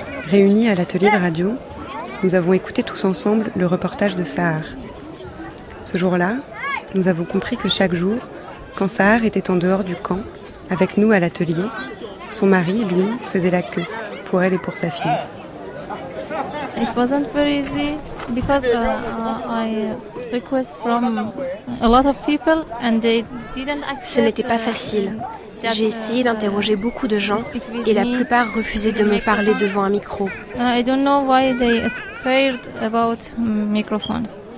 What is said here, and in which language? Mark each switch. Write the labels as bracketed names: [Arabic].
[French] Réunis à l'atelier de radio, nous avons écouté tous ensemble le reportage de Sahar. Ce jour-là, nous avons compris que chaque jour, quand Sahar était en dehors du camp, avec nous à l'atelier, son mari, lui, faisait la queue pour elle et pour sa fille. [English] It wasn't very easy because I request from a lot of people and they didn't accept. [French] Ce n'était pas facile. J'ai essayé d'interroger beaucoup de gens et la plupart refusaient de me parler devant un micro. [English] I don't know why they are scared about microphone.